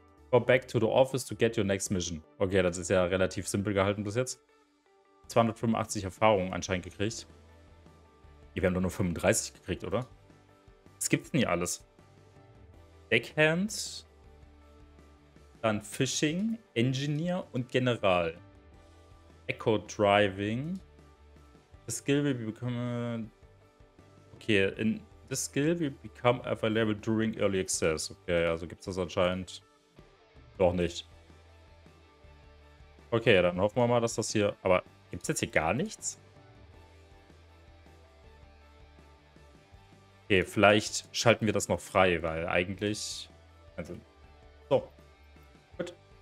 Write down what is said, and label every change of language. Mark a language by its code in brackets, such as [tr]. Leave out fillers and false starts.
[en] Go back to the office to get your next mission. [de] Okay, das ist ja relativ simpel gehalten bis jetzt. 285 Erfahrungen anscheinend gekriegt. Wir haben doch nur 35 gekriegt, oder? Es gibt nie alles. Deckhand. Dann Fishing, Engineer und General. Echo Driving. [en] The skill will become. Okay, in the skill will become available during early access. [de] Okay, also gibt's das anscheinend doch nicht. Okay, dann hoffen wir mal, dass das hier. Aber gibt's jetzt hier gar nichts? Okay, vielleicht schalten wir das noch frei, weil eigentlich... Also, so. Gut.